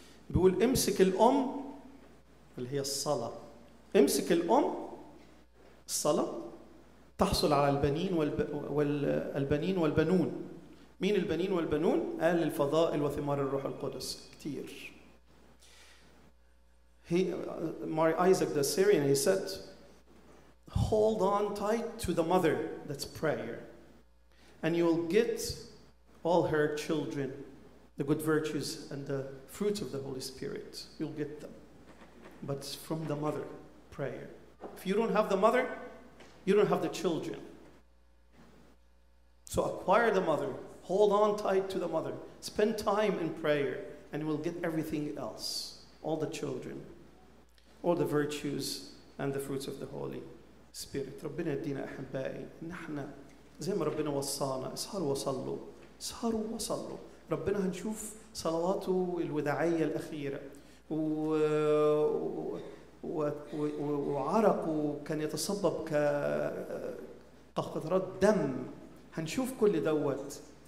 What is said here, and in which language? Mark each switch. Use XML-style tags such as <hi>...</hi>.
<ar>بيقول امسك الأم اللي هي الصلاة، امسك الأم الصلاة تحصل على البنين والبنين والبنون. مين البنين والبنون؟ قال الفضائل وثمار الروح القدس كتير.</ar> <en>Mar Isaac the Syrian he said hold on tight to the mother, that's prayer, and you'll get all her children, the good virtues and the fruits of the Holy Spirit, you'll get them, but from the mother, prayer. If you don't have the mother, you don't have the children. So acquire the mother, hold on tight to the mother, spend time in prayer, and you will get everything else, all the children, all the virtues and the fruits of the Holy Spirit.</en> <ar>ربنا يدينا أحبائي نحن زي ما ربنا وصانا اسهروا وصلوا اسهروا وصلوا. ربنا هنشوف صلواته الوداعية الأخيرة وعرقه كان يتصبب كقطرات دم، هنشوف كل دوت.</ar>